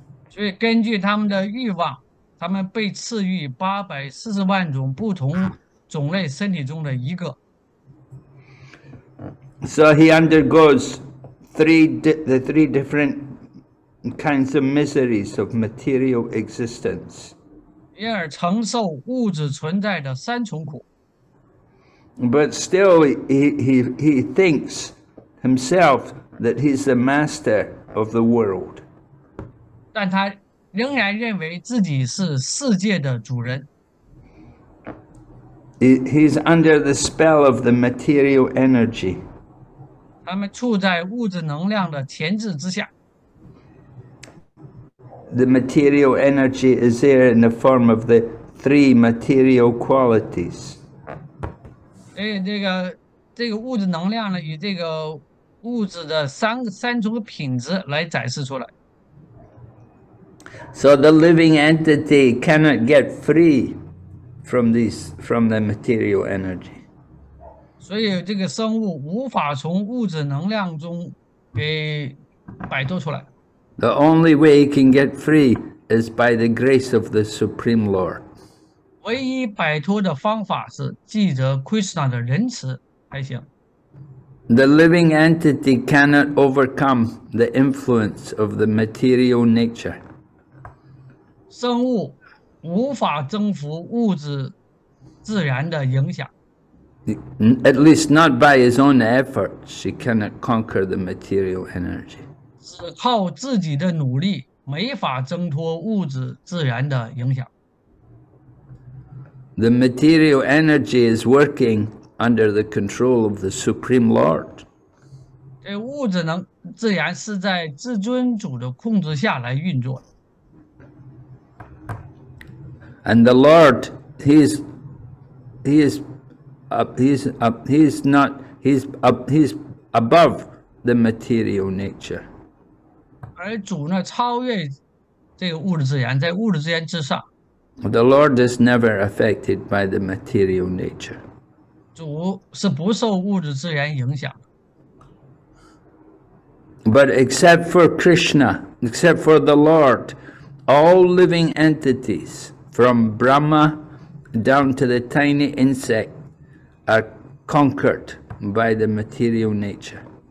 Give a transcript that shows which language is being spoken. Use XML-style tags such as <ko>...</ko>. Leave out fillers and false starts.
<zh>所以根据他们的欲望，他们被赐予840万种不同种类身体中的一个。</zh> <en>So he undergoes the three different kinds of miseries of material existence.</en> <zh>因而承受物质存在的三重苦。</zh> <en>But still, he thinks himself that he's the master of the world.</en> <zh>但他仍然认为自己是世界的主人。</zh> <en>He's under the spell of the material energy.</en> <zh>他们处在物质能量的钳制之下。</zh> <en>The material energy is there in the form of the three material qualities.</en> <zh>哎，这个物质能量呢，以这个物质的三种品质来展示出来。</zh> <en>So the living entity cannot get free from the material energy.</en> <zh>所以这个生物无法从物质能量中给摆脱出来。</zh> <en>The only way he can get free is by the grace of the Supreme Lord.</en> <zh>唯一摆脱的方法是藉着 Krishna 的仁慈才行。</zh> <en>The living entity cannot overcome the influence of the material nature.</en> <zh>生物无法征服物质自然的影响。</zh> <en>At least not by his own effort, she cannot conquer the material energy.</en> <zh>只靠自己的努力，没法挣脱物质自然的影响。</zh> <en>The material energy is working under the control of the Supreme Lord.</en> <zh>这物质能自然是在至尊主的控制下来运作。</zh> <en>And the Lord, he's above the material nature.</en> <zh>而主呢，超越这个物质资源，在物质资源之上。</zh> <en>The Lord is never affected by the material nature.</en> <zh>主是不受物质资源影响。</zh> <en>But except for Krishna, except for the Lord, all living entities, from Brahma down to the tiny insect, are conquered by the material nature.</en>